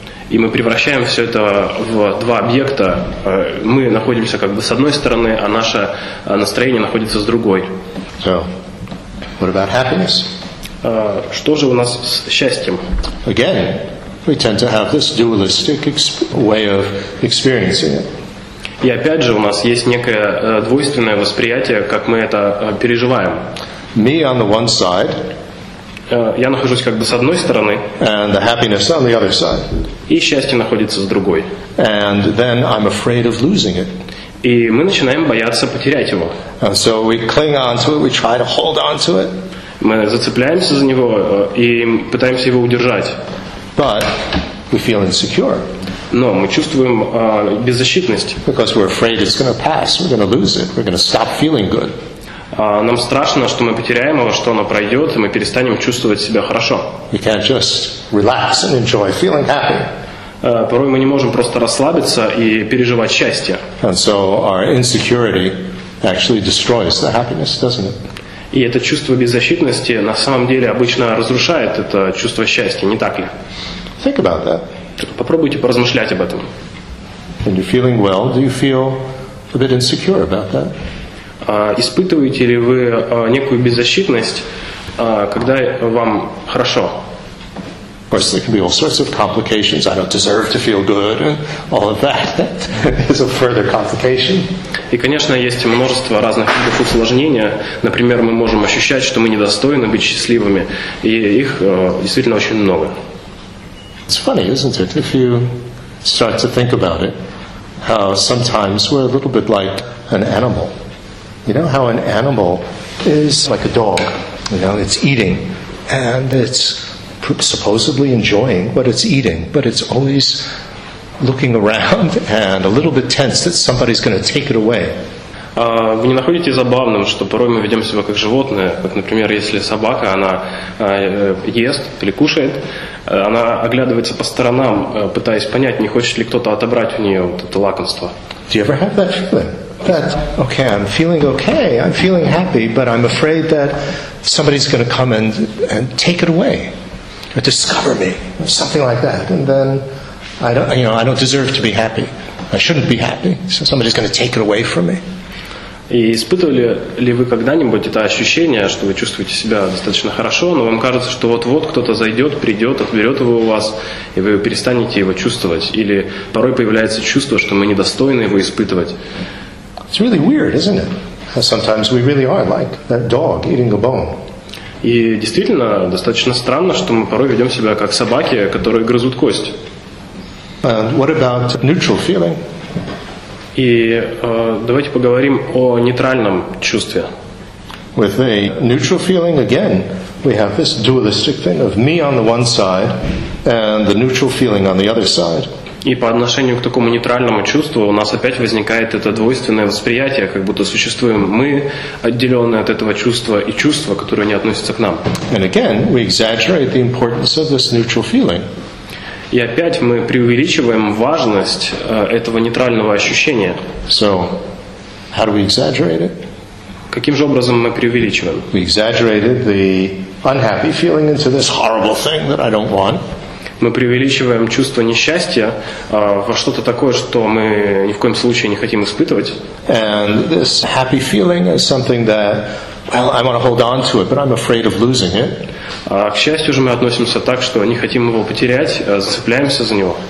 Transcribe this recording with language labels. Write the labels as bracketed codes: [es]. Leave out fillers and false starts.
[ru] И мы превращаем все это в два объекта. Мы находимся как бы с одной стороны, а наше настроение находится с другой. [en] So, what about happiness? [ru] Что же у нас с счастьем? [en] Again, we tend to have this dualistic way of experiencing it. [ru] И опять же у нас есть некое двойственное восприятие, как мы это переживаем. [en] Me on the one side. [ru] Я нахожусь как бы с одной стороны, [en] and the happiness on the other side. [ru] И счастье находится с другой. [en] And then I'm afraid of losing it. [ru] И мы начинаем бояться потерять его. [en] And so we cling on to it, we try to hold on to it. [ru] Мы зацепляемся за него и пытаемся его удержать. [en] But we feel insecure. [ru] Но мы чувствуем беззащитность. [en] Because we're afraid it's going to pass, we're going to lose it, we're going to stop feeling good. [ru] Нам страшно, что мы потеряем его, что оно пройдет, и мы перестанем чувствовать себя хорошо. [en] We can't just relax and enjoy feeling happy. [ru] Порой мы не можем просто расслабиться и переживать счастье. [en] And so our insecurity actually destroys the happiness, doesn't it? [ru] И это чувство беззащитности на самом деле обычно разрушает это чувство счастья, не так ли? [en] Think about that. [ru] Попробуйте поразмышлять об этом. [en] When you're feeling well, do you feel a bit insecure about that? [ru] Испытываете ли вы некую беззащитность, когда вам хорошо? [en] Of course, there can be all sorts of complications. I don't deserve to feel good, and all of that. That is a further complication. [ru] И, конечно, есть множество разных видов усложнений. Например, мы можем ощущать, что мы недостойны быть счастливыми, и их действительно очень много. [en] It's funny, isn't it, if you start to think about it, how sometimes we're a little bit like an animal. You know how an animal is like a dog, you know, it's eating and it's supposedly enjoying what it's eating, but it's always looking around and a little bit tense that somebody's going to take it away. [ru] Вы не находите забавным, что порой мы ведем себя как животное? Как, например, если собака, она ест или кушает, она оглядывается по сторонам, пытаясь понять, не хочет ли кто-то отобрать у нее вот это лакомство. [en] Do you ever have that feeling? That, okay, I'm feeling okay, I'm feeling happy, but I'm afraid that somebody's going to come and take it away, or discover me, or something like that, and then I don't deserve to be happy. I shouldn't be happy, so somebody's going to take it away from me. [ru] И испытывали ли вы когда-нибудь это ощущение, что вы чувствуете себя достаточно хорошо, но вам кажется, что вот-вот кто-то зайдет, придет, отберет его у вас, и вы перестанете его чувствовать? Или порой появляется чувство, что мы недостойны его испытывать? [en] It's really weird, isn't it? Sometimes we really are like that dog eating a bone. [ru] И действительно, достаточно странно, что мы порой ведем себя как собаки, которые грызут кость. [en] And what about neutral feeling? [ru] И давайте поговорим о нейтральном чувстве. [en] With a neutral feeling, again, we have this dualistic thing of me on the one side and the neutral feeling on the other side. [ru] И по отношению к такому нейтральному чувству у нас опять возникает это двойственное восприятие, как будто существуем мы, отделенные от этого чувства, и чувство, которое не относится к нам. [en] And again, we exaggerate the importance of this neutral feeling. [ru] И опять мы преувеличиваем важность этого нейтрального ощущения. [en] So, how do we exaggerate it? [ru] Каким же образом мы преувеличиваем? [en] We exaggerated the unhappy feeling into this horrible thing that I don't want. [ru] Мы преувеличиваем чувство несчастья во что-то такое, что мы ни в коем случае не хотим испытывать. [en] And this happy feeling is something that, well, I want to hold on to it, but I'm afraid of losing it. [ru] К счастью же мы относимся так, что не хотим его потерять, зацепляемся за него.